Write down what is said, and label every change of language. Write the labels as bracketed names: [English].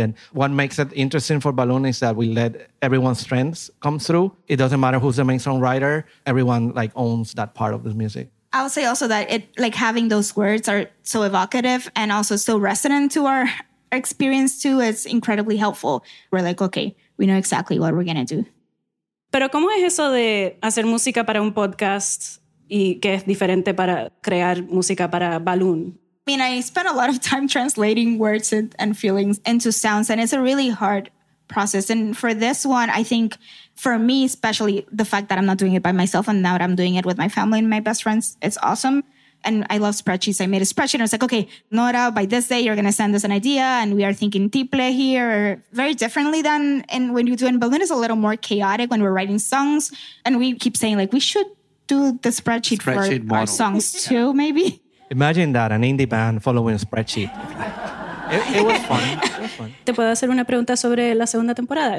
[English] And what makes it interesting for Balloon is that we let everyone's strengths come through. It doesn't matter who's the main songwriter. Everyone like owns that part of the music. I would say also that it like having those words are so evocative and also so resonant to our experience too. It's incredibly helpful. We're like, okay, we know exactly what we're going to do. [Spanish] Pero ¿cómo es eso de hacer música para un podcast y qué es diferente para crear música para Balloon? [English] I mean, I spent a lot of time translating words and feelings into sounds, and it's a really hard process. And for this one, I think for me, especially the fact that I'm not doing it by myself and now that I'm doing it with my family and my best friends, it's awesome. And I love spreadsheets. I made a spreadsheet. And I was like, okay, Nora, by this day, you're going to send us an idea. And we are thinking tiple here, or very differently than and when you do in Berlin. It's a little more chaotic when we're writing songs. And we keep saying, like, we should do the spreadsheet for model. Our songs too, maybe. Imagine that, an indie band following a spreadsheet. It was fun. [Spanish] Te puedo hacer una pregunta sobre la segunda temporada.